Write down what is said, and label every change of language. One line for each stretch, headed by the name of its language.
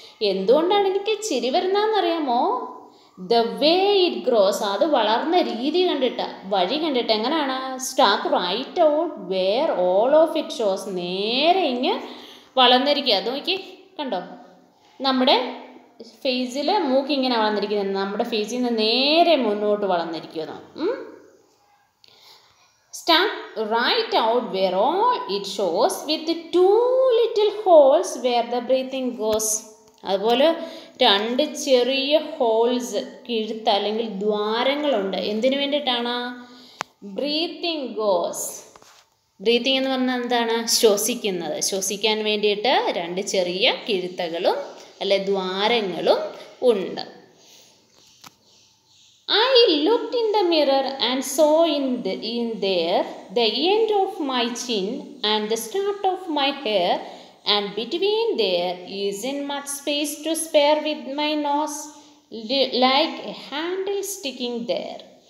Malayalam: എന്തുകൊണ്ടാണ് എനിക്ക് ചിരി വരുന്നതെന്നറിയാമോ?
English: the way it grows
Malayalam: അത് വളർന്ന രീതി കണ്ടിട്ട, വഴി കണ്ടിട്ട്. എങ്ങനെയാണ്?
English: stuck right out where all of it shows
Malayalam: നേരെ ഇങ്ങ് വളർന്നിരിക്കുക. അത് നോക്കി കണ്ടോ, നമ്മുടെ ഫേസിൽ മൂക്ക് ഇങ്ങനെ വളർന്നിരിക്കുന്നത്, നമ്മുടെ ഫേസിൽ നിന്ന് നേരെ മുന്നോട്ട് വളർന്നിരിക്കുന്നു.
English: Stuck right out where all it shows with the two little holes where the breathing goes.
Malayalam: അതുപോലെ രണ്ട് ചെറിയ ഹോൾസ്, കിഴുത്ത് അല്ലെങ്കിൽ ദ്വാരങ്ങളുണ്ട്. എന്തിനു വേണ്ടിയിട്ടാണ്?
English: Breathing ഗോസ്.
Malayalam: ബ്രീത്തിങ് എന്ന് പറഞ്ഞാൽ എന്താണ്? ശ്വസിക്കുന്നത്. ശ്വസിക്കാൻ വേണ്ടിയിട്ട് രണ്ട് ചെറിയ കിഴുത്തകളും അല്ലെ ദ്വാരങ്ങളും ഉണ്ട്.
English: I looked in the mirror and saw in there the end of my chin and the start of my hair, and between there isn't much space to spare with my nose like a handle sticking there.